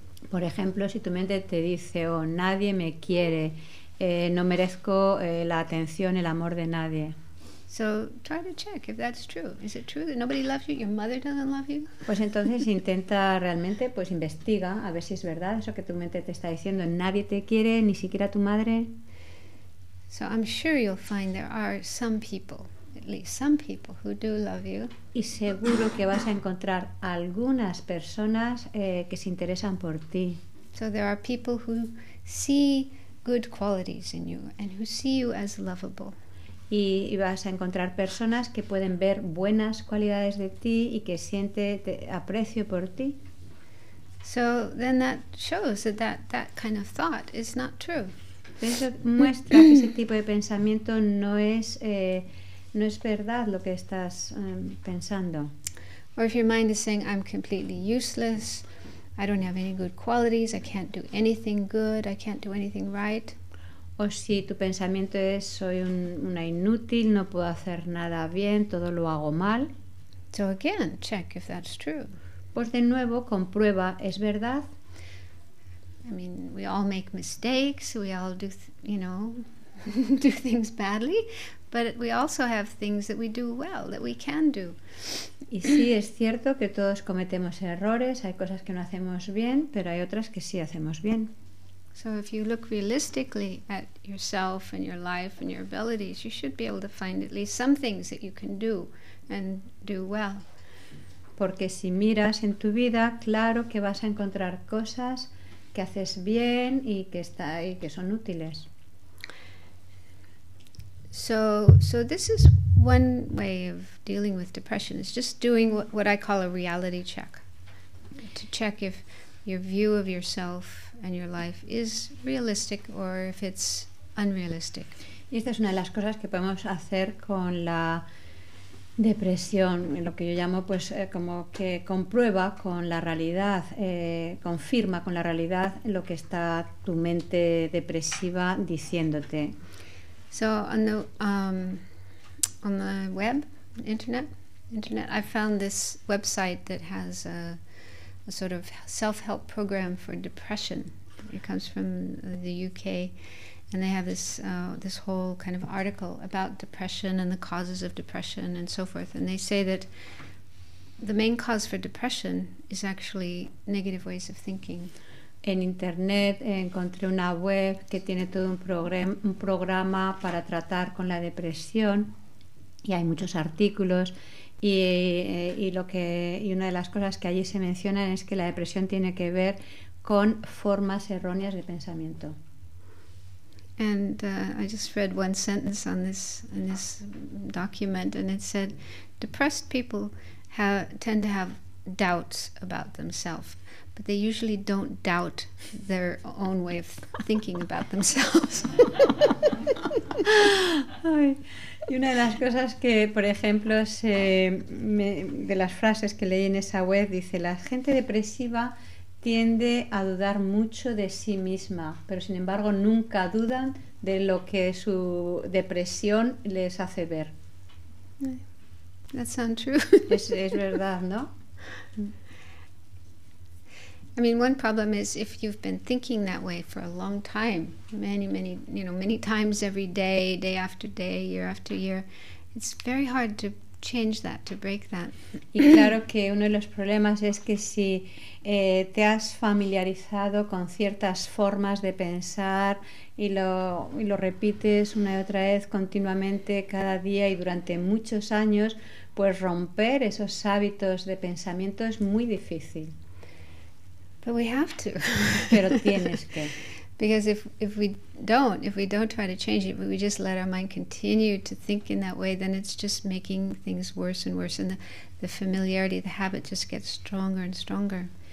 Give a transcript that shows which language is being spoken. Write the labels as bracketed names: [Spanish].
[Spanish] Por ejemplo, si tu mente te dice, oh, nadie me quiere, no merezco la atención, el amor de nadie. [English] So try to check if that's true. Is it true that nobody loves you? Your mother doesn't love you? [Spanish] Pues entonces intenta realmente, pues investiga a ver si es verdad eso que tu mente te está diciendo, nadie te quiere, ni siquiera tu madre. [English] So I'm sure you'll find there are some people, at least some people, who do love you. [Spanish] Y seguro que vas a encontrar algunas personas que se interesan por ti. [English] So there are people who see good qualities in you and who see you as lovable. [Spanish] Y vas a encontrar personas que pueden ver buenas cualidades de ti y que siente aprecio por ti. [English] So then that shows that kind of thought is not true. [Spanish] Eso muestra que ese tipo de pensamiento no es verdad lo que estás pensando. [English] Or if your mind is saying, I'm completely useless, I don't have any good qualities, I can't do anything good, I can't do anything right. [Spanish] O si tu pensamiento es, soy una inútil, no puedo hacer nada bien, todo lo hago mal. [English] So again, check if that's true. [Spanish] Pues de nuevo, comprueba, ¿es verdad? [English] I mean, we all make mistakes, we all do, do things badly, but we also have things that we do well, that we can do. [Spanish] Y sí, es cierto que todos cometemos errores, hay cosas que no hacemos bien, pero hay otras que sí hacemos bien. [English] So if you look realistically at yourself and your life and your abilities, you should be able to find at least some things that you can do and do well. [Spanish] Porque si miras en tu vida, claro que vas a encontrar cosas que haces bien y que son útiles. [English] So this is one way of dealing with depression. It's just doing what I call a reality check, to check if your view of yourself and your life is realistic or if it's unrealistic. [Spanish] Y esta es una de las cosas que podemos hacer con la depresión, lo que yo llamo, pues como que comprueba con la realidad, confirma con la realidad lo que está tu mente depresiva diciéndote. [English] So on the web, internet. internet. I found this website that has a sort of self-help program for depression. It comes from the UK, and they have this this whole kind of article about depression and the causes of depression and so forth. And they say that the main cause for depression is actually negative ways of thinking. [Spanish] En internet encontré una web que tiene todo un programa para tratar con la depresión, y hay muchos artículos, y una de las cosas que allí se mencionan es que la depresión tiene que ver con formas erróneas de pensamiento. [English] And I just read one sentence on this document, and it said, depressed people tend to have doubts about themselves, but they usually don't doubt their own way of thinking about themselves. [Spanish] Ay, y una de las cosas que, por ejemplo, de las frases que leí en esa web, dice, la gente depresiva tiende a dudar mucho de sí misma, pero sin embargo nunca dudan de lo que su depresión les hace ver. [English] That sounds true. [Spanish] Es verdad, ¿no? [English] I mean, one problem is if you've been thinking that way for a long time, many, many, you know, many times every day, day after day, year after year, it's very hard to change that, to break that. [Spanish] Y claro que uno de los problemas es que si te has familiarizado con ciertas formas de pensar y lo repites una y otra vez continuamente cada día y durante muchos años, pues romper esos hábitos de pensamiento es muy difícil. [English] But we have to. [Spanish] Pero tienes que. [English] Because if we don't try to change it, but we just let our mind continue to think in that way, then it's just making things worse and worse, and the familiarity, the habit just gets stronger and stronger.